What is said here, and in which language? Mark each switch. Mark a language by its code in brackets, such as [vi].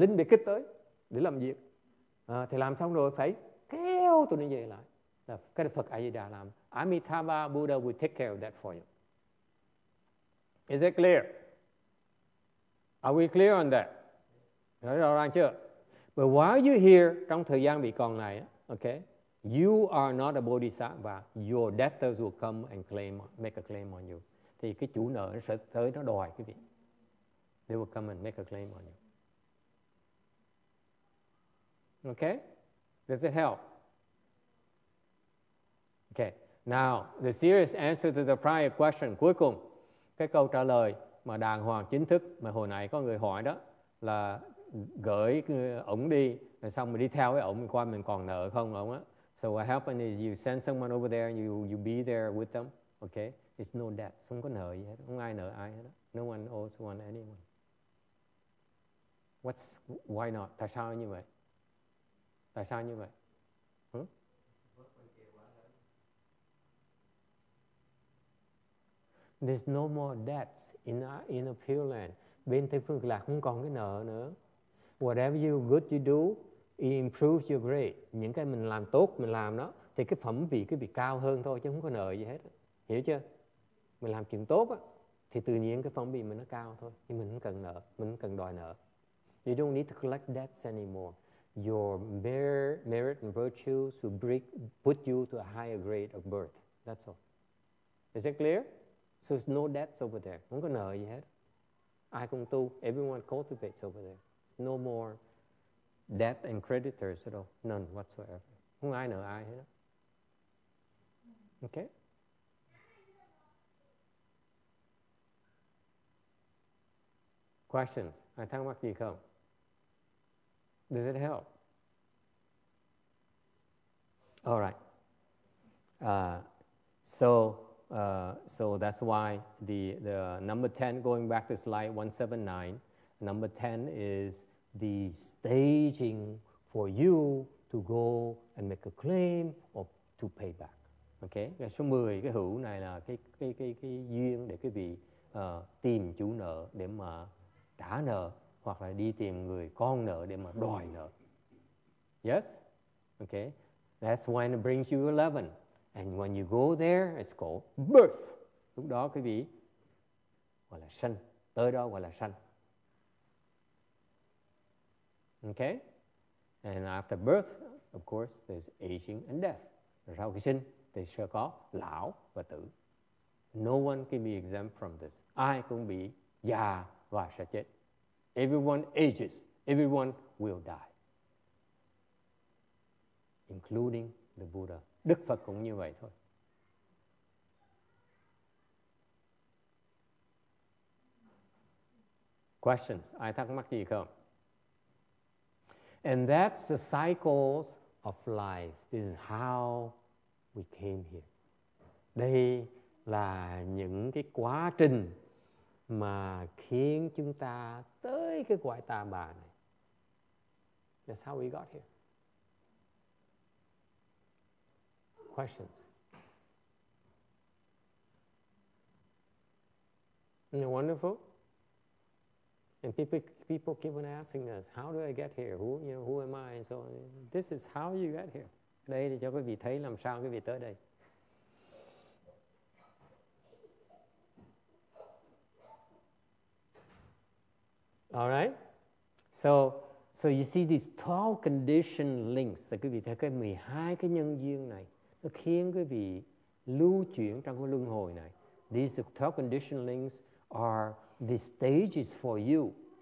[vi] Lính biệt kích tới để làm việc. Thì làm xong rồi phải kéo tụi nó về lại. Là cái là Phật A Di Đà làm. [en] Amitabha Buddha will take care of that for you. Is it clear? Are we clear on that? [vi] Rõ ràng chưa? [en] But while you're here, [vi] trong thời gian bị còn này, [en] okay, you are not a Bodhisattva. Your debtors will come and make a claim on you. [vi] Thì cái chủ nợ nó sẽ tới nó đòi cái gì. [en] They will come and make a claim on you. Okay? Does it help? Okay. Now, the serious answer to the prior question, [vi] cuối cùng, cái câu trả lời mà đàng hoàng chính thức mà hồi nãy có người hỏi đó là gửi ổng đi, xong mình đi theo với ổng qua mình còn nợ không ổng á. [en] So what happened is you send someone over there and you be there with them, okay? It's no debt. [vi] Không có nợ gì hết. Không ai nợ ai hết. [en] No one owes one anyone. Why not? [vi] Tại sao như vậy? Tại sao như vậy? [en] There's no more debts in a Pure Land. [vi] bên Tây Phương Cực Lạc không còn cái nợ nữa. [en] Whatever you good you do, it improves your grade. [vi] Những cái mình làm tốt, mình làm đó, thì cái phẩm vị cứ bị cao hơn thôi, chứ không có nợ gì hết. Hiểu chưa? Mình làm chuyện tốt á, thì tự nhiên cái phẩm vị mình nó cao thôi. Nhưng mình không cần nợ, mình không cần đòi nợ. [en] You don't need to collect debts anymore. Your merit and virtues will put you to a higher grade of birth. That's all. Is that clear? So there's no debts over there. [vi] Không có nợ gì hết. Ai cũng tu, [en] everyone cultivates over there. No more debt and creditors at all. None whatsoever. [vi] Không ai nợ ai hết. [en] Okay? Questions? [vi] Ai thắc mắc gì không? [en] Does it help? All right. So that's why the number 10, going back to slide 179, number 10 is the staging for you to go and make a claim or to pay back. Okay? [vi] Cái số 10, cái hữu này là cái duyên để quý vị tìm chủ nợ để mà trả nợ, hoặc là đi tìm người con nợ để mà đòi nợ. [en] Yes? Okay? That's when it brings you 11. And when you go there, it's called birth. [vi] Lúc đó quý vị gọi là sanh. Tới đó gọi là sanh. [en] Okay? And after birth, of course, there's aging and death. [vi] Sau khi sinh, thì sẽ có lão và tử. [en] No one can be exempt from this. [vi] Ai cũng bị già và sẽ chết. [en] Everyone ages. Everyone will die. Including the Buddha. [vi] Đức Phật cũng như vậy thôi. [en] Questions? [vi] Ai thắc mắc gì không? [en] And that's the cycles of life. This is how we came here. [vi] Đây là những cái quá trình mà khiến chúng ta tới cái quái ta bà này. [en] That's how we got here. Questions? Isn't it wonderful? And people keep on asking us, how do I get here? Who am I? And so this is how you get here. [vi] Đây để cho quý vị thấy làm sao quý vị tới đây. [en] All right? So you see these 12 condition links. [vi] Là quý vị thấy cái 12 cái nhân duyên này. Nó khiến quý vị lưu chuyển trong cái luân hồi này. [en] These 12 condition links are the stages for you.